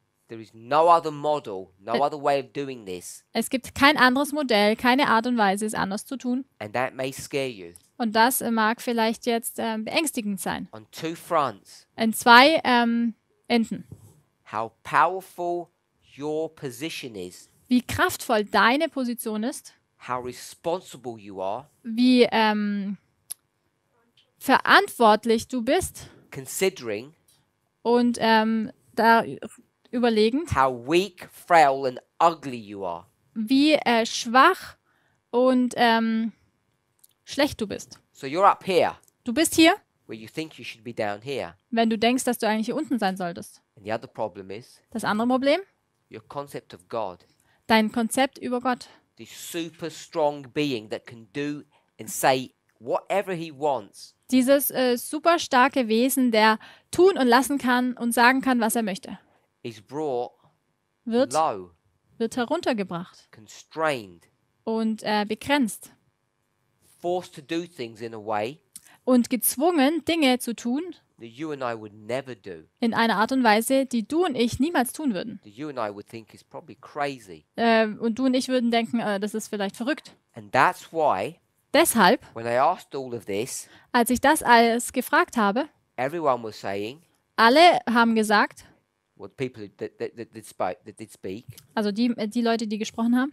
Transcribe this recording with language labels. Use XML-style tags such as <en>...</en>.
<en>There is no other model, no other way of doing this.</en> <de>Es gibt kein anderes Modell, keine Art und Weise, es anders zu tun.</de> <en>And that may scare you.</en> <de>Und das mag vielleicht jetzt beängstigend sein.</de> <en>On two fronts.</en> <de>In zwei Enden.</de> <en>How powerful your position is.</en> <de>Wie kraftvoll deine Position ist.</de> <en>How responsible you are.</en> <de>Wie verantwortlich du bist.</de> <en>Considering.</en> <de>Und da überlegend.</de> <en>How weak, frail and ugly you are.</en> <de>Wie schwach und schlecht du bist.</de> <en>So you're up here.</en> <de>Du bist hier.</de> <en>Where you think you should be down here.</en> <de>Wenn du denkst, dass du eigentlich hier unten sein solltest.</de> <en>And the other problem is.</en> <de>Das andere Problem.</de> <en>Your concept of God.</en> <de>Dein Konzept über Gott.</de> <en>The super strong being that can do and say whatever he wants.</en> <de>Dieses super starke Wesen, der tun und lassen kann und sagen kann, was er möchte.</de> <en>Is brought</en> <de>wird,</de> <en>low,</en> <de>wird heruntergebracht.</de> <en>Constrained.</en> <de>Und begrenzt.</de> <en>Forced to do things in a way.</en> <de>Und gezwungen, Dinge zu tun.</de> <en>That you and I would never do.</en> <de>In einer Art und Weise, die du und ich niemals tun würden.</de> <en>That you and I would think is probably crazy.</en> <de>Und du und ich würden denken, das ist vielleicht verrückt.</de> <en>And that's why,</en> <de>deshalb,</de> <en>when I asked all of this,</en> <de>als ich das alles gefragt habe,</de> <en>everyone was saying,</en> <de>alle haben gesagt,</de> <en>what people that did speak,</en> <de>also die Leute, die gesprochen haben,</de>